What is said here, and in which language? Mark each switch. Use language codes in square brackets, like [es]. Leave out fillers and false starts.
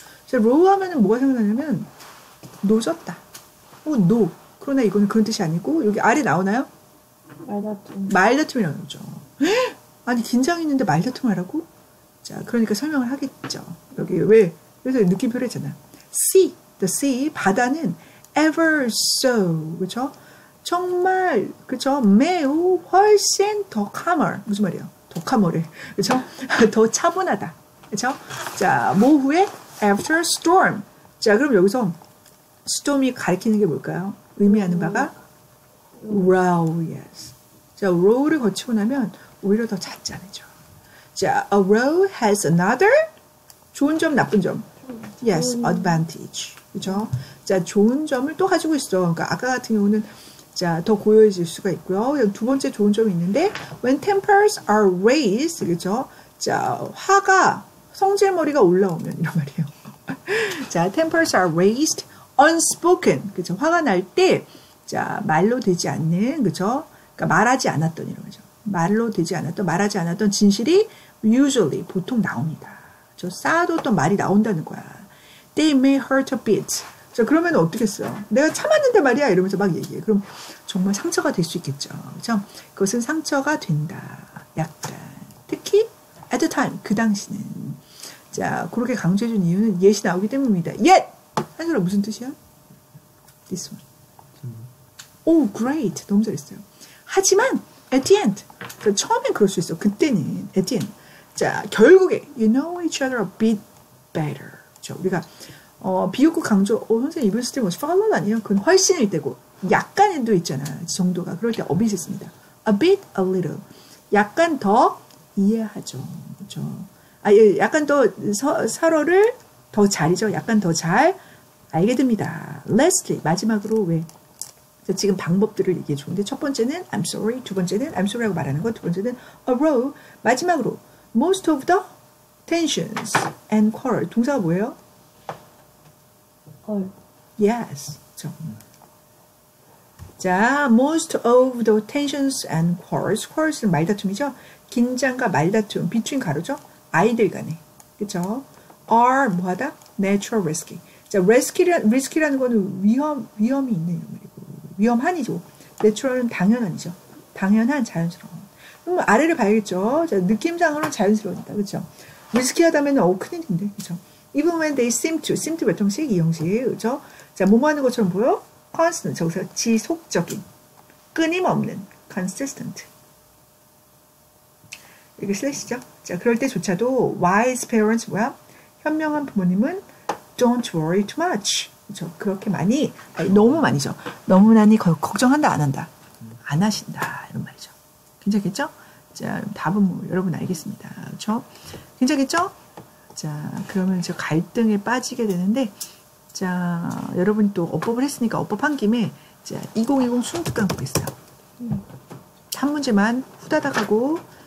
[ko] 자, row 하면은 뭐가 생각나냐면 노졌다. 오, no. 그러나 이거는 그런 뜻이 아니고 여기 아래 나오나요? 말다툼. 말다툼이 나오죠. 아니 긴장했는데 말다툼 하라고? 자, 그러니까 설명을 하겠죠. 여기 왜? 그래서 느낌표를 했잖아. [en] sea, the sea, 바다는 ever so, 그렇죠? [ko] 정말, 그쵸? 매우 훨씬 더 calmer. 무슨 말이에요? 더 calmer래. 그쵸? 더 차분하다. 그쵸? 자, 모후에 after storm. 자, 그럼 여기서 storm이 가리키는 게 뭘까요? 의미하는 바가 row, yes. 자, row를 거치고 나면 오히려 더 잔잔해져. 자, [en] a row has another [ko] 좋은 점, 나쁜 점. [en] Yes, advantage. 그쵸? [ko] 자, 좋은 점을 또 가지고 있어. 그러니까 아까 같은 경우는 자, 더 고요해질 수가 있고요. 두 번째 좋은 점이 있는데 [en] when tempers are raised, [ko] 그렇죠? 자, 화가 성질머리가 올라오면 이런 말이에요. [en] 자, tempers are raised unspoken. [ko] 그렇죠? 화가 날 때 자, 말로 되지 않는 그렇죠? 그러니까 말하지 않았던 이런 거죠. 말로 되지 않았던 말하지 않았던 진실이 usually 보통 나옵니다. 저 쌓아뒀던 말이 나온다는 거야. [en] They may hurt a bit. [ko] 자, 그러면 어떻겠어요? 내가 참았는데 말이야 이러면서 막 얘기해. 그럼 정말 상처가 될 수 있겠죠. 그렇죠? 그것은 상처가 된다. 약간. 특히 [en] at the time, [ko] 그 당시는. 자, 그렇게 강조해 준 이유는 yet이 나오기 때문입니다. yet! 한글로 무슨 뜻이야? this one. 오, great. 너무 잘했어요. 하지만 [en] at the end. [ko] 그러니까 처음엔 그럴 수 있어. [en] 그때는 at the end. [ko] 자, 결국에 [en] you know each other a bit better. [ko] 그렇죠? 우리가 비웃고 강조, 선생님 이번 스트림 뭐지? follow 아니에요? 그건 훨씬일 때고 약간도 있잖아, 정도가. 그럴 때 of 있습니다. a bit, a little. 약간 더 이해하죠. 그렇죠? 아, 예, 약간 더 서로를 더 잘이죠. 약간 더 잘 알게 됩니다. lastly, 마지막으로 왜? 자, 지금 방법들을 얘기해 주는데 첫 번째는 I'm sorry, 두 번째는 I'm sorry라고 말하는 거, 두 번째는 a row, 마지막으로 [en] most of the tensions and quarrel. [ko] 동사가 뭐예요? [en] Yes. 자, most of the tensions and quarrels. [ko] Quarrels는 말다툼이죠. 긴장과 말다툼. Between 가로죠. 아이들 간에. 그쵸? Are 뭐하다? [en] Natural risky. [ko] 자, risky라는 거는 위험이 있는 말이고. 위험한이죠. Natural은 당연한이죠. 당연한, 자연스러운. 그럼 아래를 봐야겠죠. 자, 느낌상으로 자연스러운다. 그쵸? risky하다면 큰일인데. 그쵸? [en] Even when they seem to, seem to [ko] 외통식, 이형식, 그죠? 자, 뭐하는 것처럼 보여? constant, 저기서 지속적인, 끊임없는, consistent. 이게 슬래시죠? 자, 그럴 때조차도 wise parents, 뭐야? 현명한 부모님은 [en] don't worry too much. [ko] 그죠? 그렇게 많이, 아니, 너무 많이죠? 너무나니 걱정한다, 안 한다? 안 하신다, 이런 말이죠. 괜찮겠죠? 자, 답은 뭐, 여러분 알겠습니다. 그죠? 괜찮겠죠? 자, 그러면 이제 갈등에 빠지게 되는데, 자, 여러분 또 어법을 했으니까 어법 한 김에, 자, 2020 순특강 보겠어요. 한 문제만 후다닥 하고,